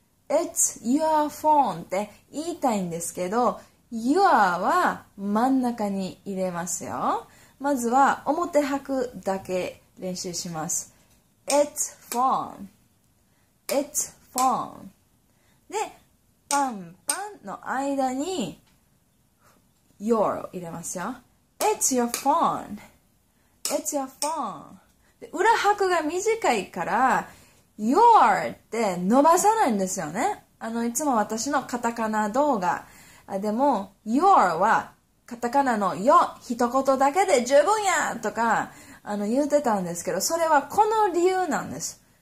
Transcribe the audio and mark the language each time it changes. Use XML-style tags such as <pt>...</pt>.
<en>It's your phone</en> <ja>って言いたいんですけど、 your は真ん中に入れますよ。まずは表拍だけ練習します。</ja> <en>It's phone。 It's phone</en> <ja>で、パンパンの間に your を入れますよ。</ja> <en>It's your phoneIt's your phone。</en> <ja>裏拍が短いから your って伸ばさないんですよね。あのいつも私のカタカナ動画でも your はカタカナのよ一言だけで十分やとかあの言ってたんですけど、それはこの理由なんです。</ja>